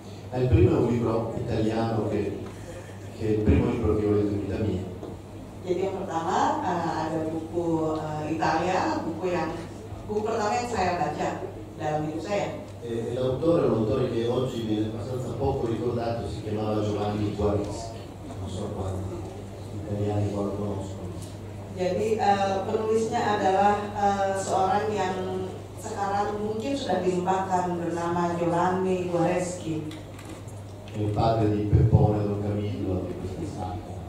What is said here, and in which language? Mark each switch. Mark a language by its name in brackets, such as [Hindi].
[Italian] Il primo è un libro italiano che è il primo libro che ho letto in vita mia. [Indonesian] Jadi yang pertama ada buku Italia, buku pertama yang saya baca dalam hidup saya. [Italian] E l'autore è un autore che oggi viene abbastanza poco ricordato, si chiamava Giovanni Guarizzi. Non so quanti italiani lo conoscono. [Indonesian] Jadi penulisnya adalah seorang yang sekarang mungkin sudah dilupakan bernama Giovanni Guarizzi. [Italian] È il padre di Peppone, Don Camillo, di questa saga.